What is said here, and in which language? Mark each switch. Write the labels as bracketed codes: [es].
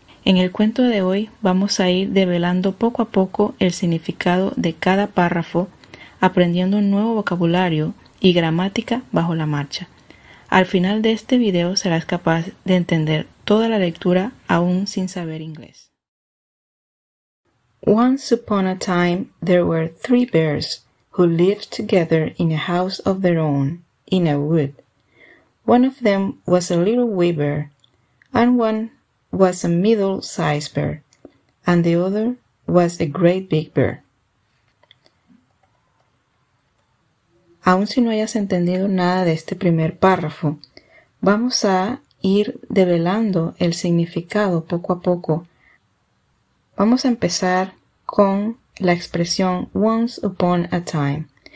[es] En el cuento de hoy vamos a ir develando poco a poco el significado de cada párrafo, aprendiendo un nuevo vocabulario y gramática bajo la marcha. Al final de este video serás capaz de entender toda la lectura aún sin saber inglés. [en] Once upon a time, there were three bears who lived together in a house of their own, in a wood. One of them was a little wee bear, and one was a middle-sized bear, and the other was a great big bear. [es] Aun si no hayas entendido nada de este primer párrafo, vamos a ir develando el significado poco a poco. Vamos a empezar con la expresión [en] once upon a time.